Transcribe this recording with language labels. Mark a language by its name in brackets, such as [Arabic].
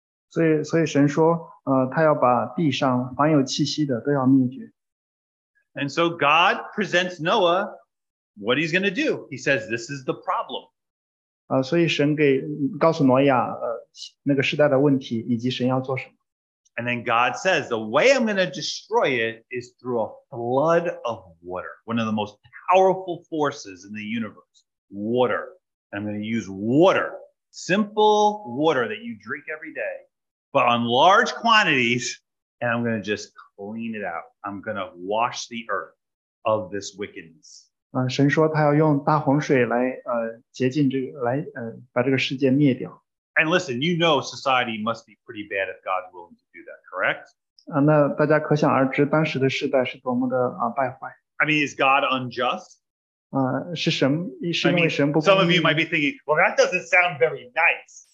[Chinese] 所以神说, 他要把地上凡有气息的都要灭绝。 [English] And so God presents Noah what he's going to do. He says, this is the problem. [Chinese] 所以神告诉挪亚, 那个时代的问题以及神要做什么。 [English] And then God says, the way I'm going to destroy it is through a flood of water, one of the most powerful forces in the universe, water. I'm going to use water, simple water that you drink every day, but on large quantities, and I'm going to just clean it out. I'm going to wash the earth of this wickedness. [Chinese] 神说他要用大洪水来洁净这个，来把这个世界灭掉。 [English] And listen, you know society must be pretty bad if God's willing to do that, correct? [Chinese] 那大家可想而知当时的世代是多么的败坏。 [English] I mean, is God unjust? [Chinese] 是因为神不公义。 [English] Some of you might be thinking, well, that doesn't sound very nice.